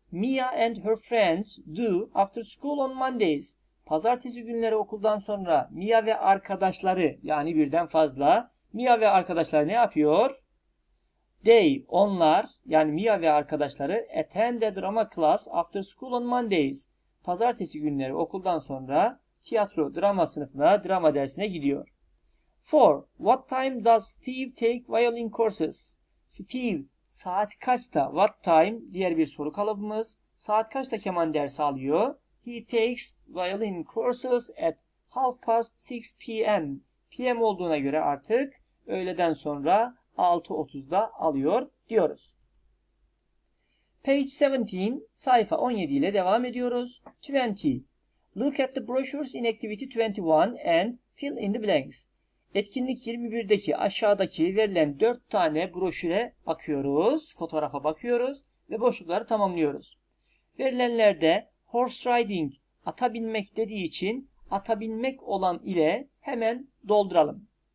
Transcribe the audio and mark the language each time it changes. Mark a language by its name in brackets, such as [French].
[English] Mia and her friends do after school on Mondays. [Turkish] Pazartesi günleri okuldan sonra Mia ve arkadaşları, yani birden fazla, Mia ve arkadaşları ne yapıyor? [English] They, [Turkish] onlar, yani Mia ve arkadaşları [English] attend a drama class after school on Mondays. [Turkish] Pazartesi günleri okuldan sonra tiyatro, drama sınıfına, drama dersine gidiyor. [English] 4. What time does Steve take violin courses? [Turkish] Steve, saat kaçta? [English] What time? [Turkish] Diğer bir soru kalıbımız. Saat kaçta keman dersi alıyor? [English] He takes violin courses at 6:30 p.m. [Turkish] PM olduğuna göre artık öğleden sonra 6:30'da alıyor diyoruz. [English] Page 17, [Turkish] sayfa 17 ile devam ediyoruz. 20. [English] Look at the brochures in activity 21 and fill in the blanks. [Turkish] Etkinlik 21'deki aşağıdaki verilen 4 tane broşüre bakıyoruz, fotoğrafa bakıyoruz ve boşlukları tamamlıyoruz. Verilenlerde [English] horse riding, [Turkish] ata binmek dediği için ata binmek olan ile hemen dolduralım.